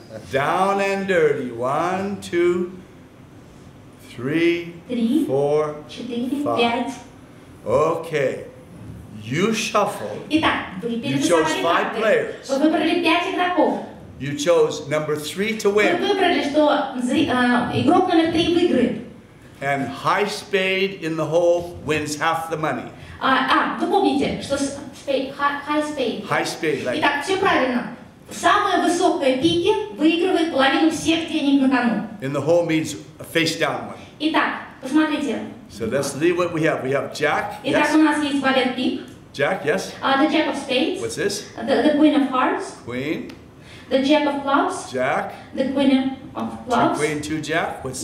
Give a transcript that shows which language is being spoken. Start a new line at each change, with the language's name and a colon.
English: Down and dirty. 1, 2, 3, 4, 5. Okay. You shuffled.
Russian: Итак,
English: you chose 5 players.
Russian: Вы выбрали 5 игроков.
English: You chose number 3 to win.
Russian: Вы выбрали, что игрок номер 3 выиграет.
English: And high spade in the hole wins half the money.
Russian: Вы помните, что spade, high spade.
English: High spade.
Russian: Итак, все правильно. Самая высокая пики выигрывает половину всех денег на кону.
English: In the hole means a face down one.
Russian: Итак, посмотрите.
English: So let's leave what we have. We have Jack.
Russian: Итак,
English: yes.
Russian: У нас есть валет пик.
English: Jack, yes. The Jack of Spades. What's this? The Queen of Hearts. Queen. The Jack of Clubs. Jack. The Queen of Clubs. Queen, two Jack. What's